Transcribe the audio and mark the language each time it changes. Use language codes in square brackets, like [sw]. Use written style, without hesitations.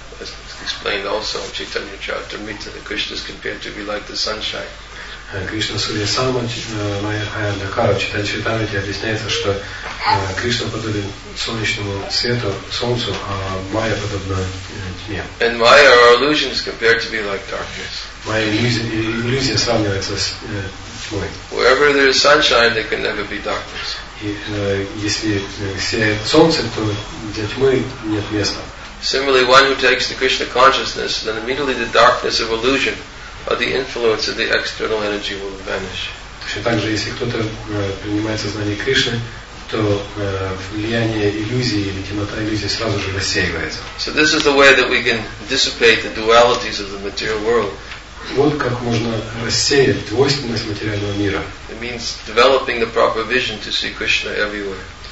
[en] Explained also in Chaitanya Charitamrita that Krishna is compared to be like the sunshine. [sa] Krishna Surya Sama Maya Haya Dakara [ru] Chaitanya Charitamrita объясняется, что Krishna подобен солнечному свету, солнцу, а Maya подобна тьме. [en] And Maya or illusion is compared to be like darkness. [ru] Maya иллюзия сравнивается с тьмой. [en] Wherever there is sunshine, there can never be darkness. [ru] Если сияет солнце, то для тьмы нет места. [en] Similarly, one who takes the Krishna consciousness, then immediately the darkness of illusion or the influence of the external energy will vanish. [ru] Точно так же, если кто-то принимает сознание Кришны, то влияние иллюзии или темнота иллюзии сразу же рассеивается. [en] So this is the way that we can dissipate the dualities of the material world. [ru] Вот как можно рассеять двойственность материального мира. [en] It means developing the proper vision to see Krishna everywhere.